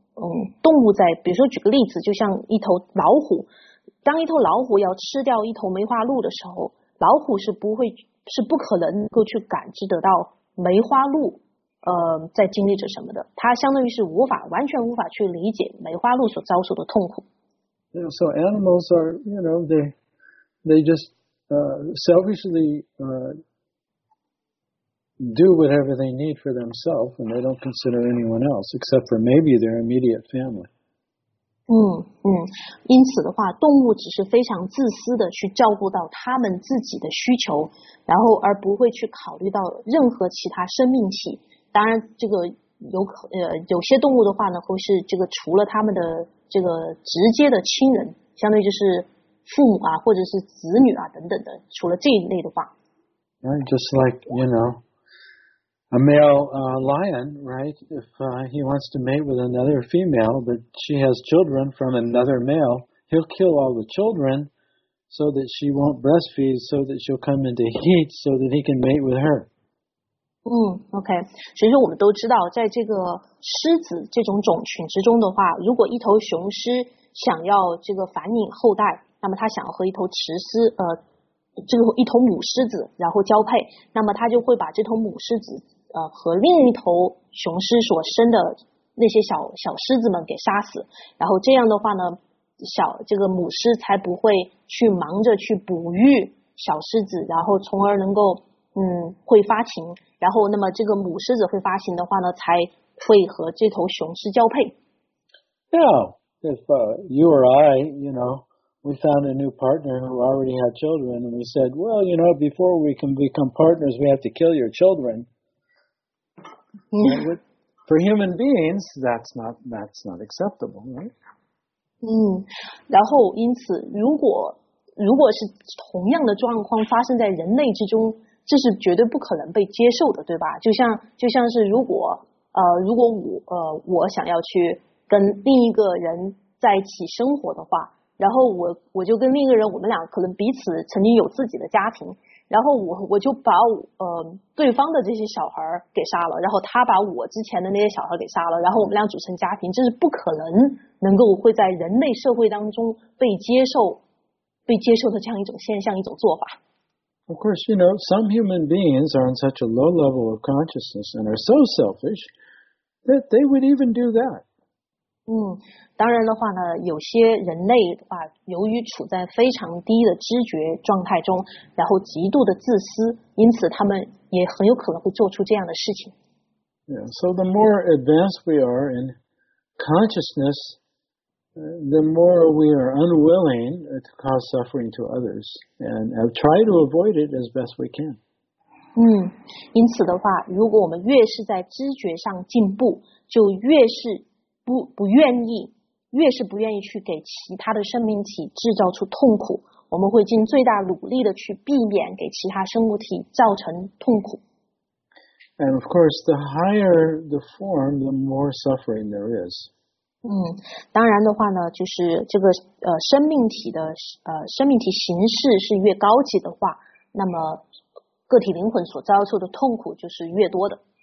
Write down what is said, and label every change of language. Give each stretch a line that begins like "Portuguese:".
Chinese: 动物在，比如说举个例子，就像一头老虎，当一头老虎要吃掉一头梅花鹿的时候，老虎是不可能够去感知得到梅花鹿在经历着什么的，它相当于是完全无法去理解梅花鹿所遭受的痛苦。
English: Yeah, so animals are, you know, they just selfishly do whatever they need for themselves, and they don't consider anyone else except for maybe their immediate family.
Chinese: 因此的话，动物只是非常自私的去照顾到他们自己的需求，然后而不会去考虑到任何其他生命体。当然，这个有些动物的话呢，会是这个除了他们的这个直接的亲人，相当于就是父母啊，或者是子女啊等等的，除了这一类的话。
English: And just like you know. A male lion, right? If he wants to mate with another female, but she has children from another male, he'll kill all the children so that she won't breastfeed, so that she'll come into heat, so that he can mate with her. Okay.
Chinese: 所以说我们都知道，在这个狮子这种种群之中的话，如果一头雄狮想要这个繁衍后代，那么他想要和一头雌狮这个一头母狮子然后交配，那么他就会把这头母狮子和另一头雄狮所生的那些小狮子们给杀死，然后这样的话呢，这个母狮才不会去忙着去哺育小狮子，然后从而能够会发情，然后那么这个母狮子会发情的话呢，才会和这头雄狮交配。
English: Yeah, if you or I, you know, we found a new partner who already had children, and we said, well, you know, before we can become partners, we have to kill your children. Would, for human beings, that's not acceptable, right?
Chinese: 然后因此，如果是同样的状况发生在人类之中，这是绝对不可能被接受的，对吧？就像是如果我想要去跟另一个人在一起生活的话，然后我就跟另一个人，我们俩可能彼此曾经有自己的家庭，然后我就把对方的这些小孩给杀了，然后他把我之前的那些小孩给杀了，然后我们俩组成家庭，这是不可能能够会在人类社会当中被接受的这样一种现象，一种做法。
English: Of course, you know, some human beings are on such a low level of consciousness and are so selfish that they would even do that.
Chinese: 当然的话呢，有些人类的话，由于处在非常低的知觉状态中，然后极度的自私，因此他们也很有可能会做出这样的事情。
English: Yeah, so the more advanced we are in consciousness, the more we are unwilling to cause suffering to others and try to avoid it as best we can.
Chinese: 因此的话，如果我们越是在知觉上进步，就越是不愿意去给其他的生命体制造出痛苦，我们会尽最大努力的去避免给其他生物体造成痛苦。
English: And of course, the higher the form, the more suffering there is.
Chinese: 当然的话呢，就是这个生命体的生命体形式是越高级的话，那么个体灵魂所遭受的痛苦就是越多的。